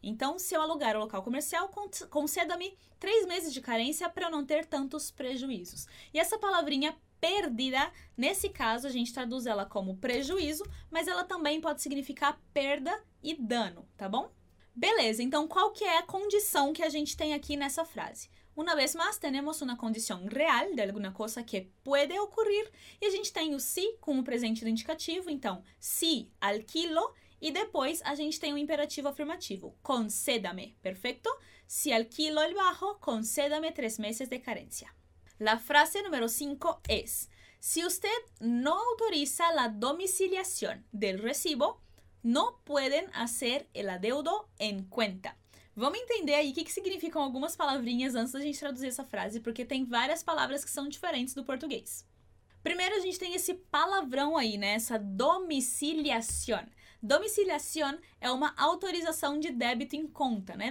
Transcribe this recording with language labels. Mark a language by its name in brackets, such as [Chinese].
[Portuguese] Então, se eu alugar o local comercial, concéda-me 3 meses de carência para eu não ter tantos prejuízos. E essa palavrinha perdida, nesse caso, a gente traduz ela como prejuízo, mas ela também pode significar perda e dano, tá bom? Beleza, então qual que é a condição que a gente tem aqui nessa frase? [Spanish] Una vez más, tenemos una condición real de alguna cosa que puede ocurrir. [Portuguese] E a gente tem o si com o presente do indicativo, então, si alquilo. E depois a gente tem o imperativo afirmativo, concédame, perfecto? [Spanish] Si alquilo el bajo, concédame 3 meses de carencia. La frase número 5 es, si usted no autoriza la domiciliación del recibo, no pueden hacer el adeudo en cuenta. [Portuguese] Vamos entender aí o que, que significam algumas palavrinhas antes da gente traduzir essa frase, porque tem várias palavras que são diferentes do português. Primeiro a gente tem esse palavrão aí, né? Essa domiciliación. Domiciliación é uma autorização de débito em conta, né?